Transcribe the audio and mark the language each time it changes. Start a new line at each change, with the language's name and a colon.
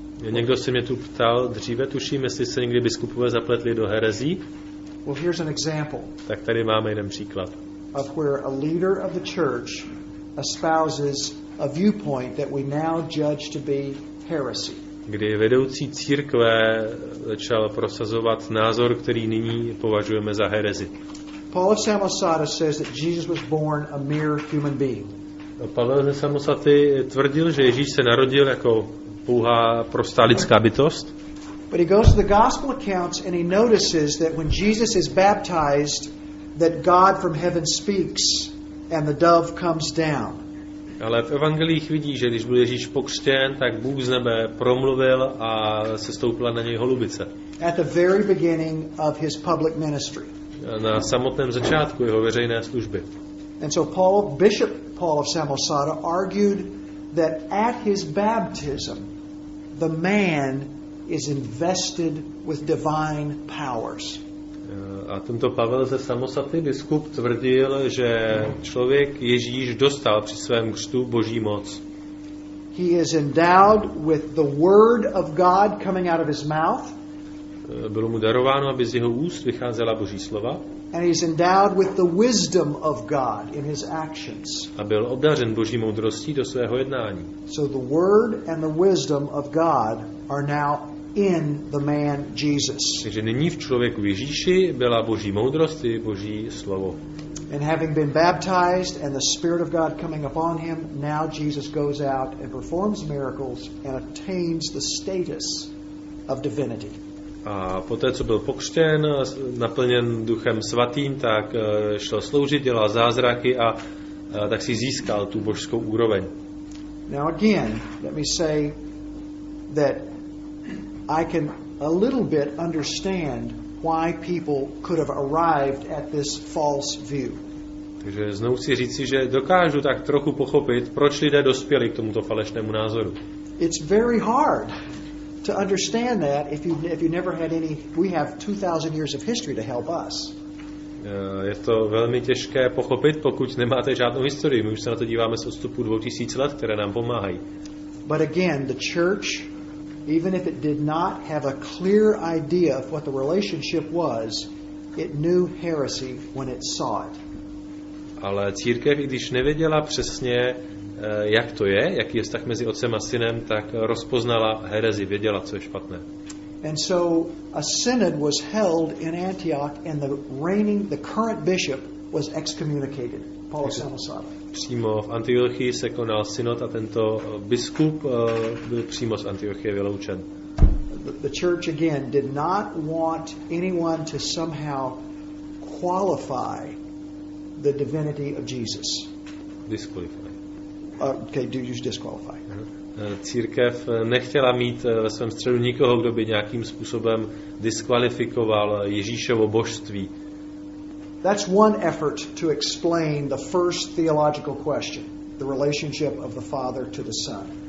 Czech: Někdo se mě tu ptal dříve, tuším, jestli se někdy biskupové zapletli do herezí.
English: Well, here's an example.
Czech: Tak tady máme jeden příklad.
English: Of where a leader of the church espouses a viewpoint that we now judge to be heresy.
Czech: Kdy vedoucí církve začal prosazovat názor, který nyní považujeme za herezi.
English: Paul of Samosata says that Jesus was born a mere human being.
Czech: Pavel ze Samosaty tvrdil, že Ježíš se narodil jako pouhá prostá lidská bytost.
English: But he goes to the gospel accounts and he notices that when Jesus is baptized that God from heaven speaks and the dove comes down.
Czech: Ale v evangeliích vidí, že když byl Ježíš pokřtěn, tak Bůh z nebe promluvil a sestoupila na něj holubice.
English: At the very beginning of his public ministry.
Czech: Na samotném začátku jeho veřejné služby.
English: And so Paul, Bishop Paul of Samosata argued that at his baptism the man is invested with divine powers.
Czech: A tento Pavel ze Samosaty, biskup, tvrdil, že člověk Ježíš dostal při svém křtu boží moc.
English: He is endowed with the word of God coming out of his mouth.
Czech: Bylo mu darováno, aby z jeho úst vycházela boží slova.
English: And he is endowed with the wisdom of God in his actions.
Czech: A byl obdařen boží moudrostí do svého jednání.
English: So the word and the wisdom of God are now in the man Jesus.
Czech: Takže nyní v člověku Ježíši byla boží moudrost i boží slovo.
English: And having been baptized and the Spirit of God coming upon him, now Jesus goes out and performs miracles and attains the status of divinity.
Czech: A poté, co byl pokřtěn, naplněn Duchem Svatým, tak šel sloužit, dělal zázraky a tak si získal tu božskou úroveň.
English: Now again, let me say that I can a little bit understand why people could have arrived at this false view.
Czech: Takže znovu si říci, že dokážu tak trochu pochopit, proč lidé dospěli k tomuto falešnému názoru.
English: It's very hard to understand that if you never had any, we have 2000 years of history to help us.
Czech: Je to velmi těžké pochopit, pokud nemáte žádnou historii. My už se na to díváme s odstupu 2000 let, které nám pomáhají.
English: But again, the church, even if it did not have a clear idea of what the relationship was, it knew heresy when it saw it.
Czech: ale církev, i když nevěděla přesně, jak to je, jaký je vztah mezi otcem a synem, tak rozpoznala herezi, věděla, co je špatné.
English: And so a synod was held in Antioch and the reigning, the current bishop was excommunicated, Paul of Samosata.
Czech: Přímo v Antiochii se konal synod a tento biskup byl přímo z Antiochie vyloučen.
English: The church again did not want anyone to somehow qualify the divinity of Jesus. Disqualify. Okay, do you disqualify?
Czech: Církev nechtěla mít ve svém středu nikoho, kdo by nějakým způsobem diskvalifikoval Ježíšovo božství.
English: That's one effort to explain the first theological question, the relationship of the Father to the Son.